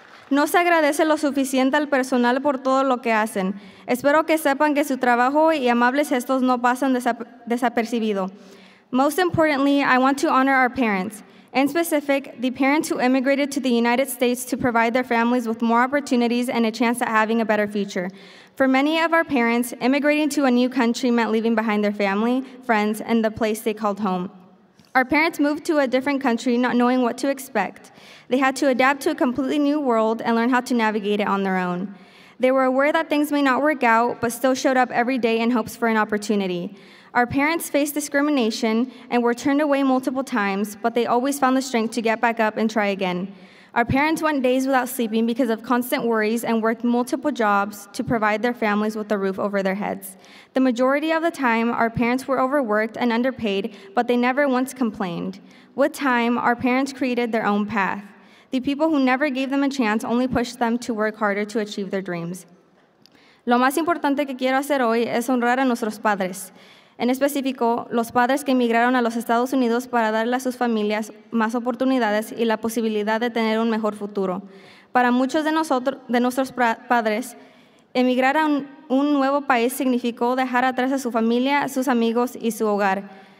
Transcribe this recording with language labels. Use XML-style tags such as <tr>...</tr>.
<es>No se agradece lo suficiente al personal por todo lo que hacen. Espero que sepan que su trabajo y amables gestos no pasan desapercibido.</es> <en>Most importantly, I want to honor our parents. In specific, the parents who immigrated to the United States to provide their families with more opportunities and a chance at having a better future. For many of our parents, immigrating to a new country meant leaving behind their family, friends, and the place they called home. Our parents moved to a different country not knowing what to expect. They had to adapt to a completely new world and learn how to navigate it on their own. They were aware that things may not work out, but still showed up every day in hopes for an opportunity. Our parents faced discrimination and were turned away multiple times, but they always found the strength to get back up and try again. Our parents went days without sleeping because of constant worries and worked multiple jobs to provide their families with a roof over their heads. The majority of the time, our parents were overworked and underpaid, but they never once complained. With time, our parents created their own path. The people who never gave them a chance only pushed them to work harder to achieve their dreams.</en> <es>Lo más importante que quiero hacer hoy es honrar a nuestros padres. En específico, los padres que emigraron a los Estados Unidos para darle a sus familias más oportunidades y la posibilidad de tener un mejor futuro. Para muchos de nosotros, de nuestros padres, emigrar a un nuevo país significó dejar atrás a su familia, sus amigos y su hogar.</es>